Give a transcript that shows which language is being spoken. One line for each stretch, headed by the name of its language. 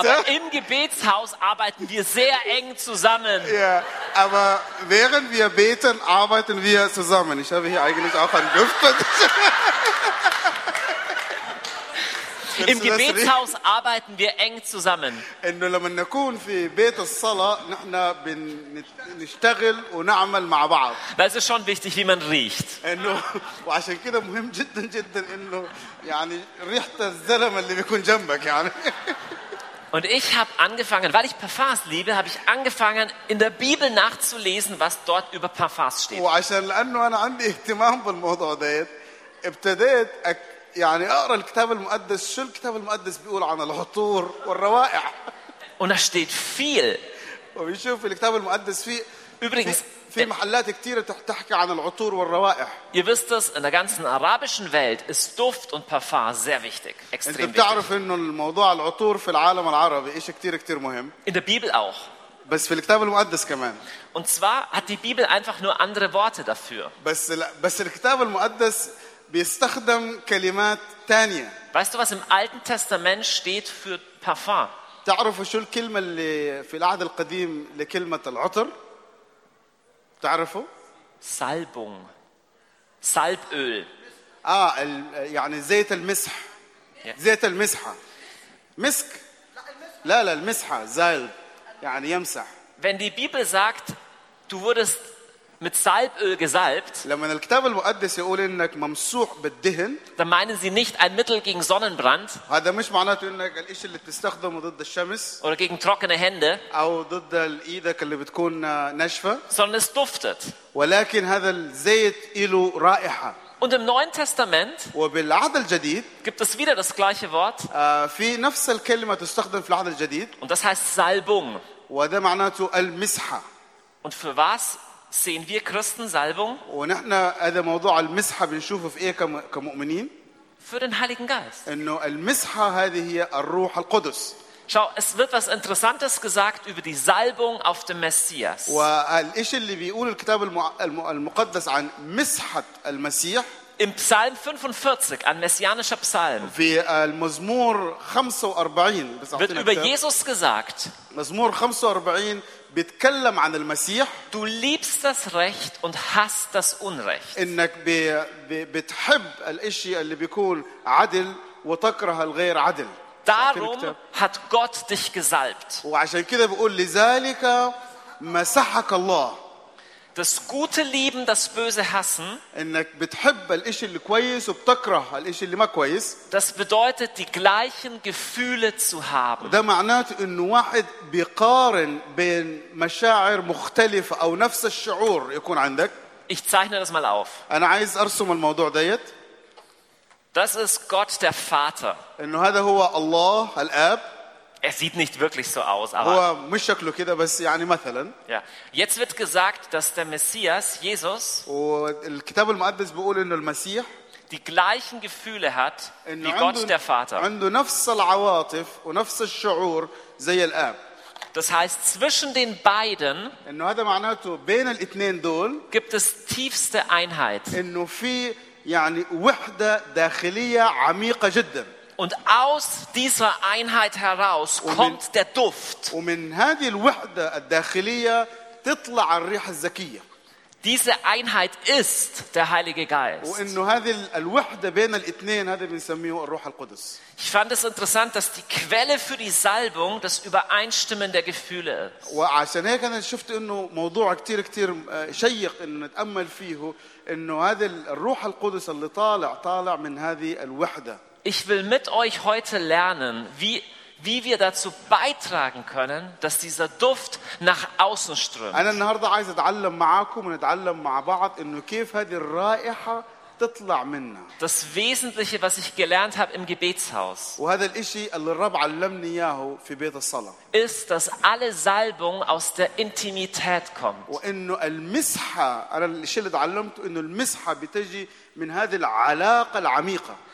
German: Aber im Gebetshaus arbeiten wir sehr eng zusammen. Ja, aber während wir beten, arbeiten wir zusammen. Ich habe hier eigentlich auch einen Duft. Im Gebetshaus arbeiten wir eng zusammen.
Arabic: إنه لما نكون في بيت الصلاة نحنا بنشتغل ونعمل مع بعض.
German: Das ist schon wichtig, wie man riecht.
Arabic: وعشان كده مهم جدا إنه يعني ريحة الزلمة اللي بيكون جنبك يعني.
German: Und ich habe angefangen, weil ich Parfums liebe, habe ich angefangen, in der Bibel nachzulesen, was dort über Parfums steht.
Arabic: وعشان لأنه أنا عندي اهتمام بالموضوع ده ابتديت يعني اقرا الكتاب المقدس شو الكتاب المقدس بيقول عن العطور والروائح
German: und da steht viel
Arabic: وبيشوف الكتاب المقدس فيه
German: übrigens
Arabic: في محلات كتيرة تحكي عن العطور والروائح
German: ihr wisst es in der ganzen arabischen Welt ist Duft und Parfum sehr wichtig extrem
Arabic: انت بتعرف انه الموضوع العطور في العالم العربي شيء كتير مهم
German: in der Bibel auch
Arabic: بس في الكتاب المقدس كمان
German: und zwar hat die Bibel einfach nur andere Worte dafür
Arabic: بس الكتاب المقدس بيستخدم كلمات تانية.
German: Weißt du, was im Alten Testament steht für Parfum?
Arabic: تعرف شو الكلمة اللي في العهد القديم لكلمة العطر؟ تعرفه؟
German: Salbung. Salböl.
Arabic: يعني زيت المسح. زيت المسحة. مسك. لا لا المسحة. Salb. يعني يمسح.
German: Wenn die Bibel sagt, du wurdest mit Salböl gesalbt,
Arabic: لمن الكتاب المقدس يقول إنك ممسوح بالدهن,
German: dann meinen sie nicht ein Mittel gegen Sonnenbrand,
Arabic: هذا مش معناته إنك الإشي اللي بتستخدمه ضد الشمس,
German: oder gegen trockene Hände,
Arabic: أو ضد إيدك اللي بتكون ناشفة,
German: sondern es duftet.
Arabic: ولكن هذا الزيت إله رائحة.
German: Und im Neuen Testament
Arabic: وبالعهد الجديد
German: gibt es wieder das gleiche Wort,
Arabic: في نفس الكلمة تستخدم في العهد الجديد,
German: und das heißt Salbung.
Arabic: وده معناته المسحة.
German: Und für was sehen wir Christen Salbung?
Arabic: ونحن هذا موضوع المسحة بنشوفه في إيه كمؤمنين؟
German: Für den Heiligen Geist.
Arabic: إنه المسحة هذه هي الروح القدس.
German: Schau, es wird was Interessantes gesagt über die Salbung auf dem Messias.
Arabic: والإشي اللي بيقول الكتاب المقدس عن مسحة المسيح.
German: Im Psalm 45, ein messianischer Psalm.
Arabic: في المزمور 45.
German: Wird über Jesus gesagt.
Arabic: مزمور 45. بيتكلم عن المسيح.
German: Du liebst das Recht und hasst das Unrecht.
Arabic: إنك بتحب الإشي اللي بيكون عدل وتكره الغير عدل.
German: Darum hat Gott dich gesalbt.
Arabic: وعشان كده بيقول لذلك مسحك الله.
German: Das Gute lieben, das Böse hassen.
Arabic: إنك بتحب الإشي اللي كويس وبتكره الإشي اللي ما كويس.
German: Das bedeutet, die gleichen Gefühle zu haben.
Arabic: ده معناته إنه واحد بيقارن بين مشاعر مختلفة أو نفس الشعور يكون عندك.
German: Ich zeichne das mal auf.
Arabic: أنا عايز أرسم الموضوع ديت.
German: Das ist Gott der Vater.
Arabic: إنه هذا هو الله الآب.
German: Er sieht nicht wirklich so aus, aber
Arabic: يعني مثلا,
German: ja. Jetzt wird gesagt, dass der Messias Jesus
Arabic: والكتاب المقدس بيقول إنه المسيح
German: die gleichen Gefühle hat wie Gott der Vater.
Arabic: عنده نفس العواطف ونفس الشعور زي الآب.
German: Das heißt, zwischen den beiden
Arabic: إنه هذا معناته بين الاثنين دول
German: gibt es tiefste Einheit.
Arabic: إنه في يعني وحدة داخلية عميقة جدا.
German: Und aus dieser Einheit heraus kommt der Duft.
Arabic: ومن هذه الوحدة الداخلية تطلع الريحة الزكية.
German: Diese Einheit ist der Heilige Geist.
Arabic: وإنه هذه الوحدة بين الاثنين هذا بنسميه الروح القدس.
German: Ich fand es interessant, dass die Quelle für die Salbung das Übereinstimmen der Gefühle ist.
Arabic: وعشان هيك أنا شفت إنه موضوع كتير كتير شيق إنه نتأمل فيه إنه هذا الروح القدس اللي طالع من هذه الوحدة.
German: Ich will mit euch heute lernen, wie wir dazu beitragen können, dass dieser Duft nach außen strömt.
Arabic: أنا النهاردة عايز أتعلم معاكم ونتعلم مع بعض إنه كيف هذه الرائحة تطلع منا.
German: Das Wesentliche, was ich gelernt habe im Gebetshaus.
Arabic: وهذا الإشي اللي الرب علمني إياه في بيت الصلاة.
German: Ist, dass alle Salbung aus der Intimität kommt.
Arabic: وإنه المسحة أنا الشيء اللي تعلمته إنه المسحة بتجي من هذه العلاقة العميقة.